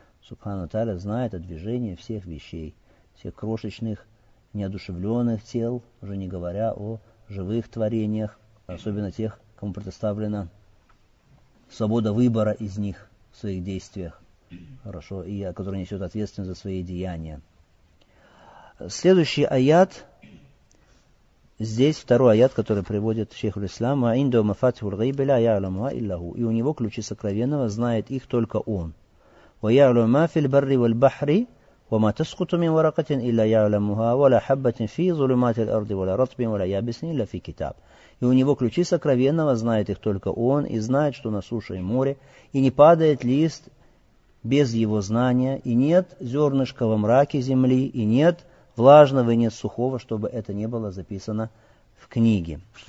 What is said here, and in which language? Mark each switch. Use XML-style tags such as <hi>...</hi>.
<ru>Субхану Тааля знает о движении всех вещей, всех крошечных, неодушевленных тел, уже не говоря о живых творениях, особенно тех, кому предоставлена свобода выбора из них в своих действиях, хорошо, и который несет ответственность за свои деяния. Следующий аят, здесь второй аят, который приводит шейх аль-Ислам,</ru> <ar>«Ва-инду мафатиху аль-гайби ля я'ламу а-илляху»,</ar> <ru>и у него ключи сокровенного, знает их только он.</ru> <ar>«Ва-я'ламу ма филь-барри валь-бахри». وما تسقط من ورقة إلا يعلمها ولا حبة في ظلمات الأرض ولا رطب ولا يابس إلا في كتاب.</ar> <ru>И у него ключи сокровенного, знает их только он, и знает, что на суше и море, и не падает лист без его знания, и нет зернышка во мраке земли, и нет влажного, и нет сухого, чтобы это не было записано в книге.</ru>